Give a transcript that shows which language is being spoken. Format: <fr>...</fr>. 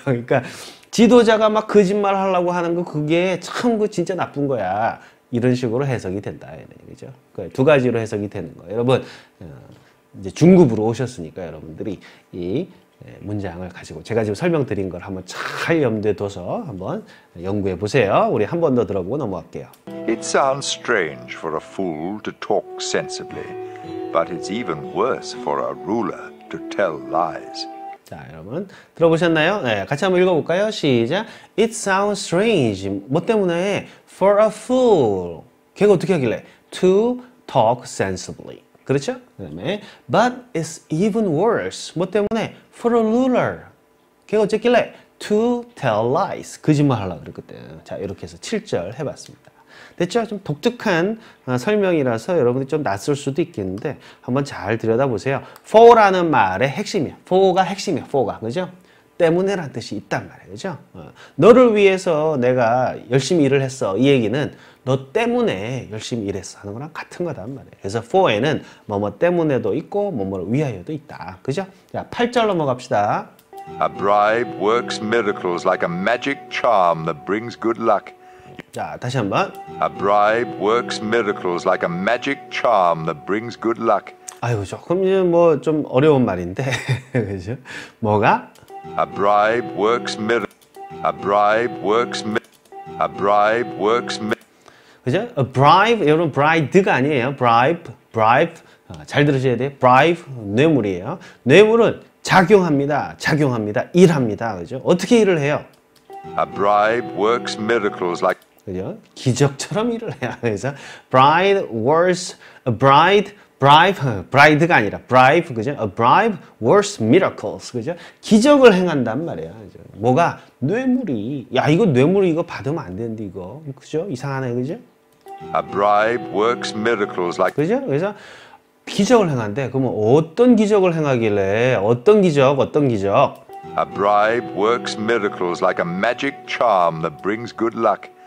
<ko>그러니까, 지도자가 막 거짓말 하려고 하는 거, 그게 참, 그 진짜 나쁜 거야. 이런 식으로 해석이 된다. 그죠? 두 가지로 해석이 되는 거예요. 여러분, 이제 중급으로 오셨으니까, 여러분들이. 이 문장을 가지고 제가 지금 설명드린 걸 한번 잘 염두에 둬서 한번 연구해 보세요. 우리 한 번 더 들어보고 넘어갈게요.</ko> <en>It sounds strange for a fool to talk sensibly, but it's even worse for a ruler to tell lies.</en> <ko>자, 여러분 들어보셨나요? 네, 같이 한번 읽어볼까요? 시작!</ko> <en>It sounds strange.</en> <ko>뭐 때문에?</ko> <en>For a fool.</en> <ko>걔가 어떻게 하길래?</ko> <en>To talk sensibly.</en> <ko>그렇죠? 그 다음에</ko> <en>But it's even worse.</en> <ko>뭐 때문에?</ko> <en>For a ruler.</en> <ko>걔가 어쨌길래?</ko> <en>To tell lies.</en> <ko>거짓말 하려고 그랬거든. 자, 이렇게 해서 7절 해봤습니다. 됐죠? 좀 독특한 설명이라서 여러분들이 좀 낯설 수도 있겠는데 한번 잘 들여다보세요. For라는 말의 핵심이야.</ko> <en>For가 핵심이야.</en> <ko>For가. 그죠? 때문에란 뜻이 있단 말이죠. 너를 위해서 내가 열심히 일을 했어. 이 얘기는 너 때문에 열심히 일했어 하는 거랑 같은 거단 말이에요. 그래서 for에는 뭐뭐 때문에도 있고 뭐뭐를 위하여도 있다. 그죠? 자, 8절 넘어갑시다.</ko> <en>A bribe works miracles like a magic charm that brings good luck.</en> <ko>자, 다시 한번.</ko> <en>A bribe works miracles like a magic charm that brings good luck.</en> <ko>아이고, 조금 뭐 좀 어려운 말인데. 그죠? 뭐가?</ko> <en>A bribe works miracles. A bribe works A bribe works A bribe,</en> <ko>여러분, bride가 아니에요. Bribe. 잘 들으셔야 돼요. Bribe, 뇌물이에요. 뇌물은 작용합니다. 일합니다. 그죠? 어떻게 일을 해요?</ko> <en>A bribe works miracles like.</en> <ko>그죠? 기적처럼 일을 해요. 그래서, bride works, a bride, bribe, bride가 아니라, bribe, 그죠?</ko> <en>A bribe works miracles.</en> <ko>그죠? 기적을 행한단 말이에요. 그죠? 뭐가? 뇌물이. 야, 이거 뇌물이 이거 받으면 안 되는데, 이거. 그죠? 이상하네, 그죠?</ko> <en>A bribe works miracles like.</en> <ko>그죠? 그래서, 기적을 행한대. 그러면 어떤 기적을 행하길래? 어떤 기적?</ko> <en>A bribe works miracles like a magic charm that brings good luck.</en>